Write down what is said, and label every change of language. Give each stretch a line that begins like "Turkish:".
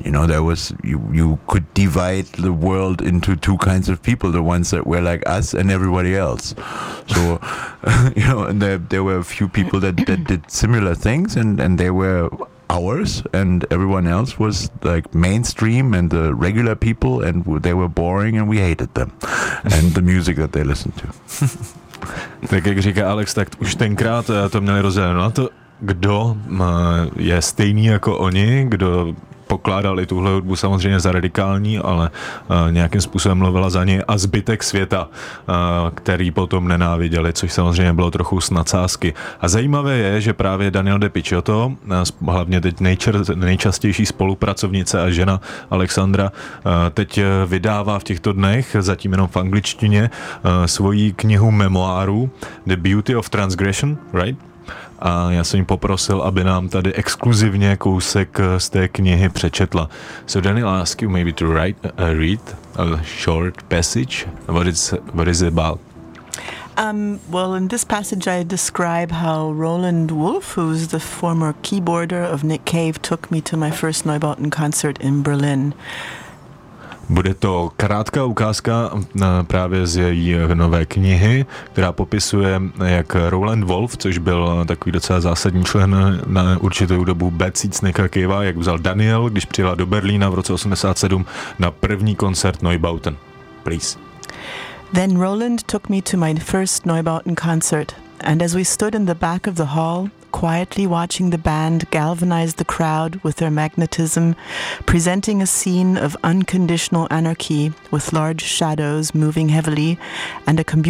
English: You know, there was you could divide the world into two kinds of people: the ones that were like us and everybody else. So, you know, and there were a few people that did similar things, and they were ours, and everyone else was like mainstream and the regular people, and they were boring, and we hated them and the music that they listened to.
Czech: Tak jak říká Alex, tak už tenkrát to měli rozdělené na to, kdo je stejný jako oni, kdo pokládali tuhle hudbu samozřejmě za radikální, ale nějakým způsobem mluvila za ně a zbytek světa, který potom nenáviděli, což samozřejmě bylo trochu s nadsázky. A zajímavé je, že právě Daniel De Picciotto, hlavně teď nejčastější spolupracovnice a žena Alexandra, teď vydává v těchto dnech, zatím jenom v angličtině, svoji knihu memoáru The Beauty of Transgression, right? A já jsem ji poprosil, aby nám tady exkluzivně kousek z té knihy přečetla.
English: So Daniel asked you maybe to write read a short passage. What is it about? Well, in this passage I describe how Roland Wolf, who is the former keyboarder of Nick Cave, took me to my first Neubauten concert in Berlin.
Czech: Bude to krátká ukázka právě z její nové knihy, která popisuje, jak Roland Wolf, což byl takový docela zásadní člen na určitou dobu Bad Seeds Nicka Cavea, jak vzal Daniel, když přijela do Berlína v roce 87 na první koncert Neubauten.
English: Please. Then Roland took me to my first Neubauten concert, and as we stood in the back of the hall, quietly watching the band galvanize the crowd with their magnetism, presenting a scene of unconditional anarchy with large shadows moving heavily and a